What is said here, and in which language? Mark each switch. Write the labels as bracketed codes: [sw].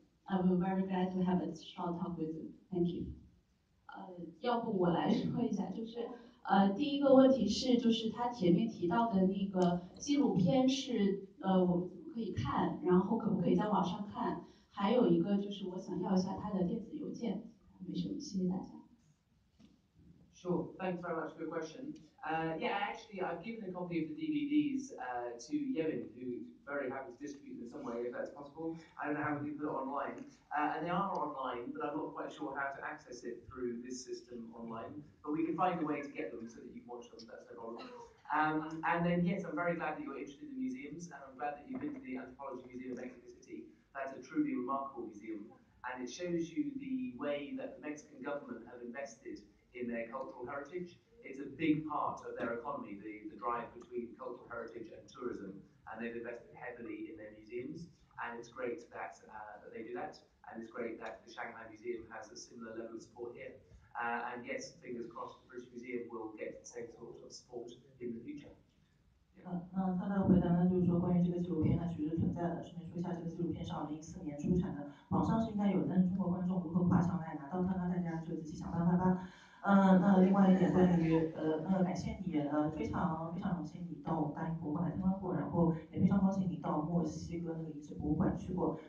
[en] I will very glad to have a short talk with you. Thank you. [zh] 要不我来说一下，就是。第一个问题是，就是他前面提到的那个纪录片是，我可以看，然后可不可以在网上看？还有一个就是，我想要一下他的电子邮件，没什么，谢谢大家。 [en] Sure, thanks very much for your question. Actually, I've given a copy of the DVDs to Yemin, who's very happy to distribute them somewhere if that's possible. I don't know how many people are online. And they are online, but I'm not quite sure how to access it through this system online. But we can find a way to get them so that you can watch them, that's no problem. And then, yes, I'm very glad that you're interested in museums, and I'm glad that you've been to the Anthropology Museum of Mexico City. That's a truly remarkable museum, and it shows you the way that the Mexican government have invested in their cultural heritage. It's a big part of their economy, the drive between cultural heritage and tourism, and they've invested heavily in their museums, and it's great that they do that, and it's great that the Shanghai Museum has a similar level of support here. And yes, fingers crossed, the British Museum will get the same sort of support in the future. [zh] 那他的回答呢，就是说关于这个纪录片，它其实是存在的。顺便说一下，这个纪录片是2014年出产的，网上是应该有，但是中国观众如何跨墙来拿到它呢？大家就自己想办法吧。那另外一点关于感谢你，非常非常荣幸你到我们大英博物馆来参观过，然后也非常高兴你到墨西哥那个遗址博物馆去过。